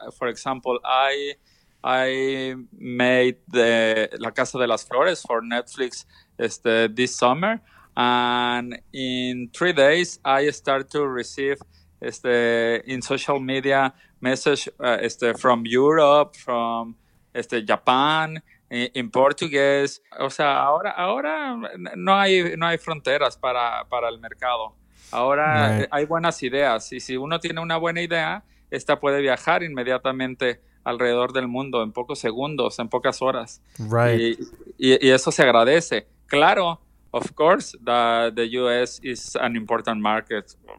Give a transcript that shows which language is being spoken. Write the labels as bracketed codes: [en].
[en] For example, I made the La Casa de las Flores for Netflix this summer, and in 3 days I start to receive in social media message from Europe, from Japan. [es] En portugués, o sea, ahora no hay fronteras para el mercado. Ahora hay buenas ideas, y si uno tiene una buena idea, esta puede viajar inmediatamente alrededor del mundo en pocos segundos, en pocas horas. [en] Right. [es] Y eso se agradece. [en] Claro, of course, the US is an important market.